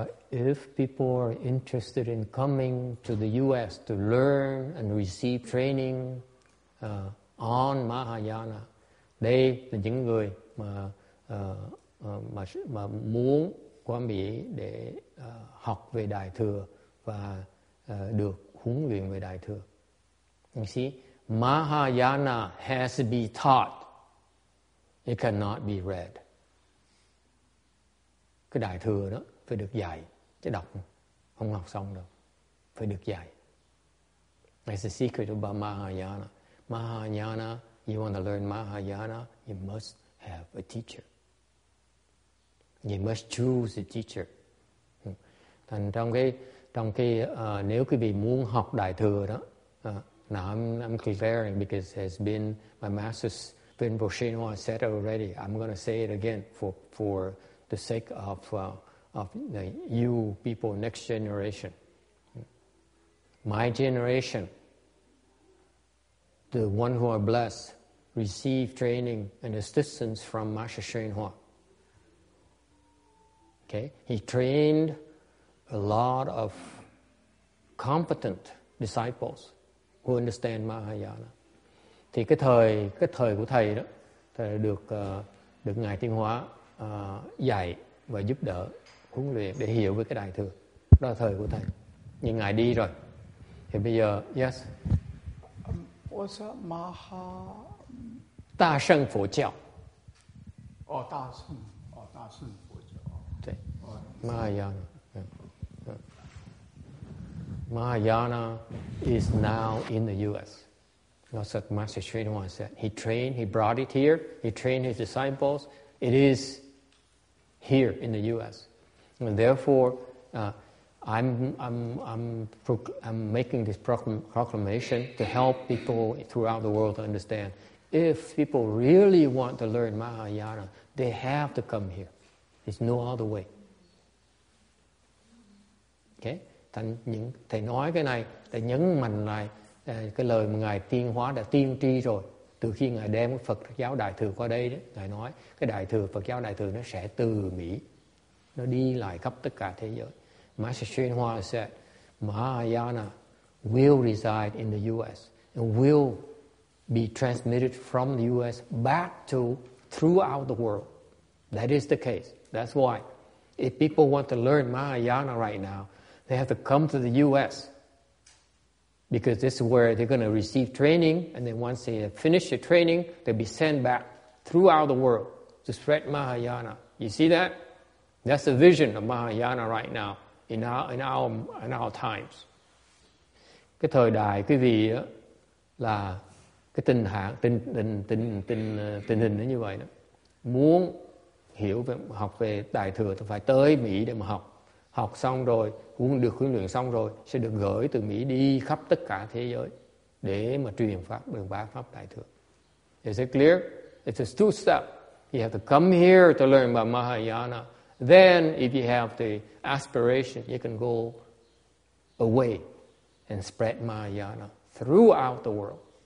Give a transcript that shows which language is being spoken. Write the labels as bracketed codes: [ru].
[en] If people are interested in coming to the U.S. to learn and receive training on Mahayana, [vi] đây là những người mà muốn qua Mỹ để học về Đại Thừa và được huấn luyện về Đại Thừa. [en] You see, Mahayana has to be taught. It cannot be read. [vi] Cái Đại Thừa đó phải được dạy, chứ đọc không học xong đâu. Phải được dạy. [en] That's the secret about Mahayana. Mahayana, you want to learn Mahayana, you must have a teacher. You must choose a teacher. [vi] Thành trong cái nếu quý vị muốn học Đại Thừa đó, [en] now I'm declaring because it's been my master's been Boshino said already. I'm going to say it again for the sake of the you people, next generation. My generation, the one who are blessed, receive training and assistance from Master Shenhua. Okay? He trained a lot of competent disciples who understand Mahayana. [vi] Thì cái thời của thầy đó, thầy được Ngài Thiên Hóa dạy và giúp đỡ huấn luyện để hiểu về cái Đại Thừa. Đó là thời của thầy. Nhưng Ngài đi rồi. Thì bây giờ, yes. [en] What's up, Maha? [vi] Đa Sơn Phổ Giáo. Oh, Đa Sơn. Oh, Đa Sơn Phổ Giáo. [en] Mahayana. Mahayana is now in the U.S. That's what Master Srinivasan said. He trained, he brought it here. He trained his disciples. It is here in the U.S. And therefore, I'm making this proclamation to help people throughout the world understand. If people really want to learn Mahayana, they have to come here. There's no other way. Okay? [vi] Thầy nói cái này, thầy nhấn mạnh lại cái lời mà Ngài Tiên Hóa đã tiên tri rồi. Từ khi Ngài đem cái Phật giáo Đại Thừa qua đây, đấy, Ngài nói cái Đại Thừa, Phật giáo Đại Thừa nó sẽ từ Mỹ. Nó đi lại khắp tất cả thế giới. [en] Master Srinivasa said, Mahayana will reside in the U.S. and will be transmitted from the U.S. back to throughout the world. That is the case. That's why. If people want to learn Mahayana right now, they have to come to the U.S. because this is where they're going to receive training, and then once they finish the training, they'll be sent back throughout the world to spread Mahayana. You see that? That's the vision of Mahayana right now in our times. [vi] Cái thời đại quý vị là cái tình hình nó như vậy đó. Muốn hiểu về học về đại thừa thì phải tới Mỹ để mà học. Học xong rồi, được huấn luyện xong rồi sẽ được gửi từ Mỹ đi khắp tất cả thế giới để mà truyền pháp đường bá pháp đại thừa. [en] Is it clear? It's a two step. You have to come here to learn about Mahayana. Then if you have the aspiration, you can go away and spread Mahayana throughout the world.